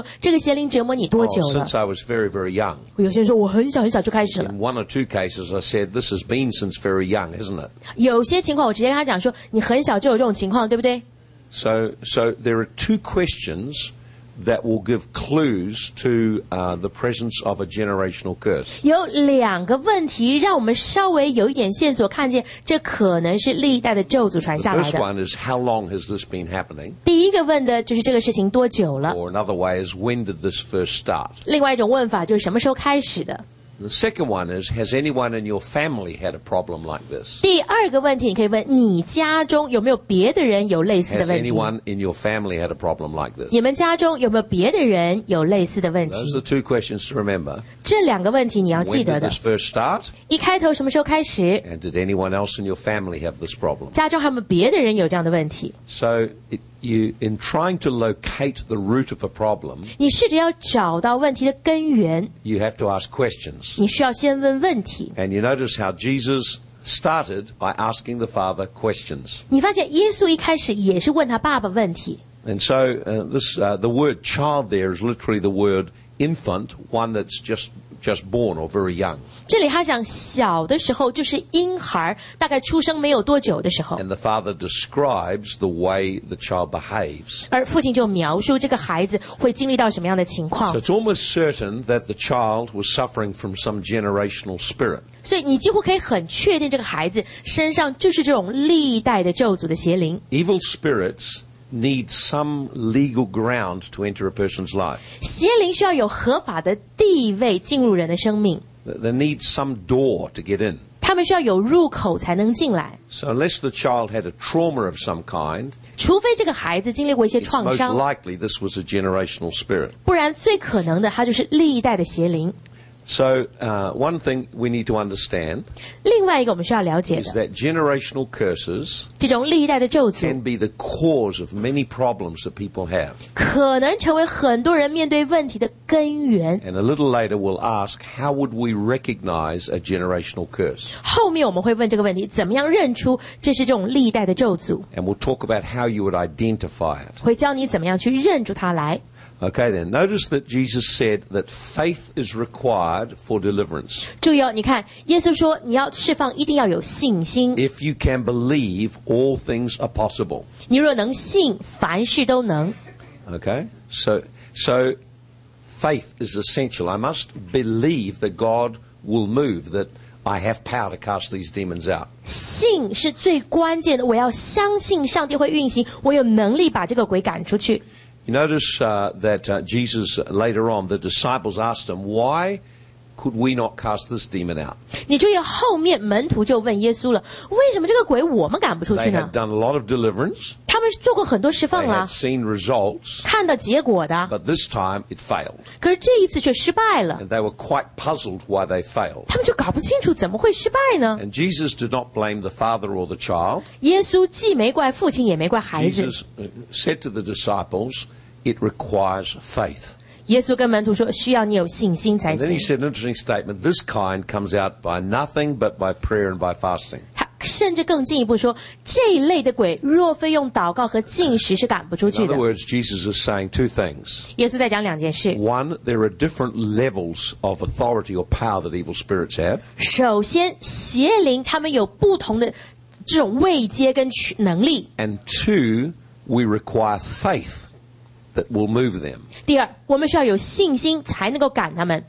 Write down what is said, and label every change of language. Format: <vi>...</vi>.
<zh>你参加过我的聚会，你就知道，很多次我问人家说，这个邪灵折磨你多久了？</zh> <en>Since I was very, very young.</en> <zh>有些人说我很小很小就开始了。</zh> <en>In one or two cases, I said this has been since very young, isn't it?</en> <zh>有些情况我直接跟他讲说，你很小就有这种情况，对不对？</zh> <en>So there are two questions that will give clues to the presence of a generational curse.</en> <zh>有两个问题让我们稍微有一点线索，看见这可能是历代的咒诅传下来的。</zh> <en>The first one is how long has this been happening?</en> <zh>第一个问的就是这个事情多久了。</zh> <en>Or another way is when did this first start?</en> <zh>另外一种问法就是什么时候开始的。</zh> <en>The second one is, has anyone in your family had a problem like this?</en> <zh>第二个问题你可以问，你家中有没有别的人有类似的问题？</zh> <en>Has anyone in your family had a problem like this?</en> <zh>你们家中有没有别的人有类似的问题？</zh> <en>Those are the two questions to remember.</en> <zh>这两个问题你要记得的。</zh> <en>When did this first start?</en> <zh>一开头什么时候开始？</zh> <en>And did anyone else in your family have this problem?</en> <zh>家中还有没有别的人有这样的问题？</zh> <en>So, in trying to locate the root of a problem,</en> <zh>你试着要找到问题的根源。</zh> <en>You have to ask questions.</en> <zh>你需要先问问题。</zh> <en>And you notice how Jesus started by asking the Father questions.</en> <zh>你发现耶稣一开始也是问他爸爸问题。</zh> <en>And so, the word child there is literally the word infant, one that's just just born or very young.</en> <zh>这里他讲小的时候就是婴孩大概出生没有多久的时候。</zh> <en>And the father describes the way the child behaves.</en> <zh>而父亲就描述这个孩子会经历到什么样的情况。</zh> <en>So it's almost certain that the child was suffering from some generational spirit.</en> <zh>所以你几乎可以很确定这个孩子身上就是这种历代的咒诅的邪灵。</zh> <en>Evil spirits need some legal ground to enter a person's life.</en> <zh>邪灵需要有合法的地位进入人的生命。</zh> <en>They need some door to get in.</en> <zh>他们需要有入口才能进来。</zh> <en>So unless the child had a trauma of some kind,</en> <zh>除非这个孩子经历过一些创伤</zh> <en>it's most likely this was a generational spirit.</en> <zh>不然最可能的他就是历代的邪灵。</zh> <en>So, one thing we need to understand</en> <zh>另外一个我们需要了解的</zh> <en>is that generational curses</en> <zh>这种历代的咒诅</zh> <en>can be the cause of many problems that people have.</en> <zh>可能成为很多人面对问题的根源</zh> <en>And a little later we'll ask, how would we recognize a generational curse?</en> <zh>后面我们会问这个问题怎么样认出这是这种历代的咒诅</zh> <en>And we'll talk about how you would identify it.</en> <zh>会教你怎么样去认出它来</zh> <en>Okay then, notice that Jesus said that faith is required for deliverance.</en> <zh>注意哦，你看，耶稣说你要释放一定要有信心。</zh> <en>If you can believe, all things are possible.</en> <zh>你若能信，凡事都能。</zh> <en>Okay, so faith is essential. I must believe that God will move, that I have power to cast these demons out.</en> <zh>信是最关键的，我要相信上帝会运行，我有能力把这个鬼赶出去。</zh> <en>You notice that Jesus, later on, the disciples asked him, why could we not cast this demon out?</en> <zh>你注意后面门徒就问耶稣了为什么这个鬼我们赶不出去呢</zh> <en>They had done a lot of deliverance.</en> <zh>他们做过很多释放了</zh> <en>They had seen results.</en> <zh>看到结果的</zh> <en>But this time, it failed.</en> <zh>可是这一次却失败了</zh> <en>And they were quite puzzled why they failed.</en> <zh>他们就搞不清楚怎么会失败呢</zh> <en>And Jesus did not blame the father or the child.</en> <zh>耶稣既没怪父亲也没怪孩子</zh> <en>Jesus said to the disciples,It requires faith.</en> <zh>耶稣跟门徒说需要你有信心才行。</zh> <en>And then he said an interesting statement, this kind comes out by nothing but by prayer and by fasting.</en> <zh>他甚至更进一步说这一类的鬼若非用祷告和禁食是赶不出去的。</zh> <en>In other words, Jesus is saying two things.</en> <zh>耶稣在讲两件事。</zh> <en>One, there are different levels of authority or power that evil spirits have.</en> <zh>首先邪灵他们有不同的这种位阶跟能力。</zh> <en>And two, we require faith. That will move them.</en> <zh>第二，我们需要有信心才能够赶他们。</zh>